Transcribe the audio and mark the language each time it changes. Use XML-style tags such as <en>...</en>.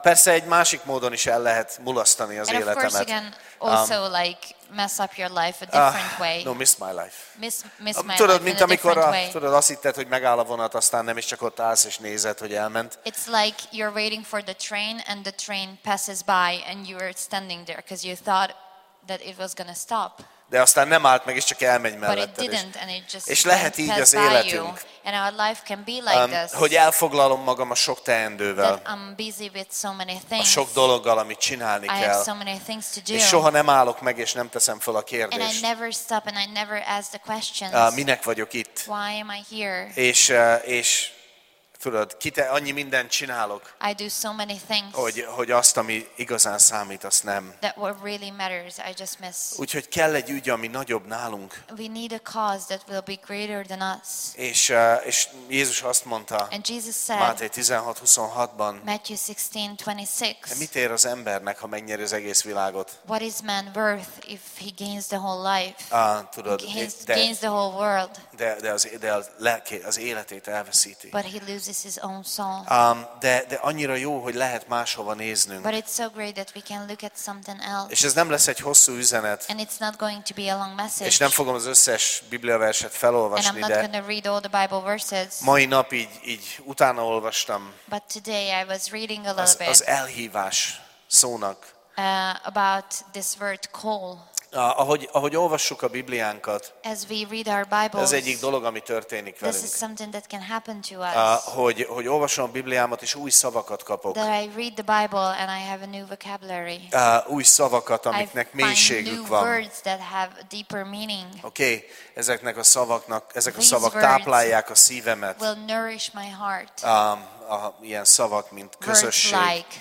<hu>Persze egy másik módon is el lehet mulasztani az</hu> <en>and</en> <hu>életemet.</hu> <en>And of course you can also like mess up your life a different way. No, miss my life. Miss my</en> <hu>tudod, mint</hu> <en>in</en> <hu>amikor</hu> <en>a different way.</en> <hu>Tudod, azt hitted, hogy megáll a vonat, aztán nem is csak ott állsz és nézed, hogy elment.</hu> <en>It's like you're waiting for the train and the train passes by and you were standing there because you thought that it was going to stop.</en> <hu>De aztán nem állt meg, és csak elmegy mellette.</hu> <en>But it didn't, and it just</en> <hu>és lehet így az életünk.</hu> <en>And our life can be like this.</en> <hu>Hogy elfoglalom magam a sok teendővel.</hu> <en>I'm busy with so many things.</en> <hu>A sok dologgal, amit csinálni</hu> <en>I</en> <hu>kell.</hu> <en>I have so many things to do.</en> <hu>És soha nem állok meg és nem teszem fel a kérdést.</hu> <en>And I never stop and I never ask the questions.</en> <hu>Minek vagyok itt?</hu> <en>Why am I here?</en> <hu>És tudod, annyi mindent csinálok,</hu> <en>I do so many things,</en> <hu>hogy azt, ami igazán számít, azt nem.</hu> <en>That what really matters, I just miss.</en> <hu>Úgyhogy kell egy ügy, ami nagyobb nálunk.</hu> <en>We need a cause that will be greater than us.</en> <hu>És Jézus azt mondta,</hu> <en>and Jesus said,</en> <hu>Máté 16:26-ban,</hu> <en>Matthew 16:26,</en> <hu>mit ér az embernek, ha megnyer az egész világot?</hu> <en>What is man worth if he gains the whole life?</en> <hu>Tudod,</hu> <en>gains the whole world.</en> <hu>De az életét elveszíti.</hu> <en>But he loses his own soul.</en> <hu>De annyira jó, hogy lehet máshova néznünk.</hu> <en>But it's so great that we can look at something else.</en> <hu>És ez nem lesz egy hosszú üzenet.</hu> <en>And it's not going to be a long message.</en> <hu>És nem fogom az összes Biblia verset felolvasni,</hu> <en>and I'm not going to read all the Bible verses.</en> <hu>Mai nap így utána olvastam.</hu> <en>But today I was reading a little bit.</en> <hu>Az elhívás szónak.</hu> <en>About this word call.</en> <hu>Ahogy olvassuk a Bibliánkat,</hu> <en>as we read our Bibles,</en> <hu>ez egyik dolog, ami történik velünk.</hu> <en>This is something that can happen to us.</en> <hu>Hogy olvasom a Bibliámat, és új szavakat kapok.</hu> <en>That I read the Bible and I have a new vocabulary.</en> <hu>Új szavakat, amiknek mélységük van.</hu> <en>New words that have deeper meaning.</en> <hu>Okay, ezek a szavak táplálják a szívemet.</hu> <en>Will nourish my heart.</en> <hu>Ilyen szavak, mint közösség,</hu>